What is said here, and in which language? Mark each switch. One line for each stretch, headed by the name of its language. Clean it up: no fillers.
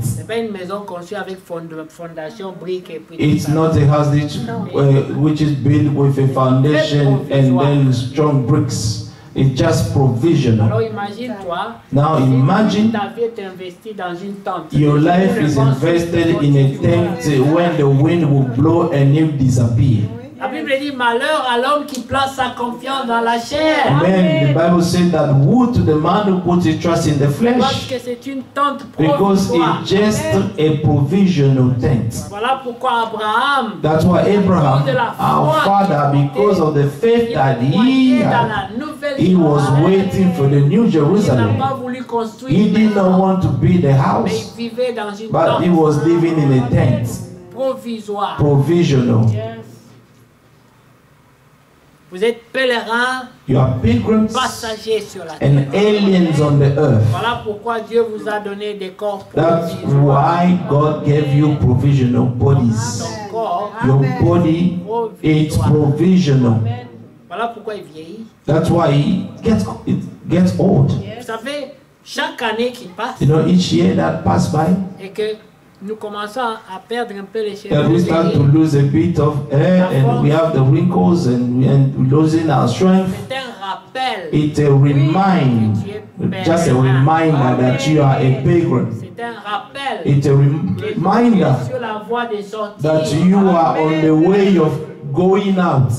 French: C'est pas une maison conçue avec fondation brique et puis.
English: It's not a house which, which is built with a foundation and then strong bricks. It's just provisional.
French: Alors imagine toi,
English: now imagine
French: ta vie est investie dans une tente.
English: Your life is invested in a tent when the wind will blow and it disappear.
French: La Bible dit malheur à l'homme qui place sa confiance dans la chair. Amen.
English: The Bible says that woe to the man who puts his trust in the flesh.
French: Parce que c'est une tente provisoire.
English: Because it's just a provisional tent.
French: Voilà pourquoi Abraham.
English: That's why Abraham, our father, because of the faith that he had, he was waiting for the new Jerusalem. He did not want to build a house, but he was living in a tent.
French: Provisoire.
English: Provisional.
French: Vous êtes pèlerins,
English: you are pilgrims,
French: passagers sur la
English: and
French: terre.
English: Aliens on the earth.
French: Voilà pourquoi Dieu vous a donné des corps.
English: That's why God gave you provisional bodies. Amen. Your body is provisional.
French: Amen. Voilà pourquoi il vieillit.
English: That's why it gets old. Yes.
French: Vous savez, chaque année qui passe,
English: you know, each year that pass by,
French: et que nous commençons à perdre un peu les cheveux.
English: We start to lose a bit of hair, and we have the wrinkles, and we end losing our strength.
French: C'est un rappel.
English: It's a remind, just a reminder that you are a pilgrim.
French: C'est un rappel.
English: It's a reminder that you are on the way of going out.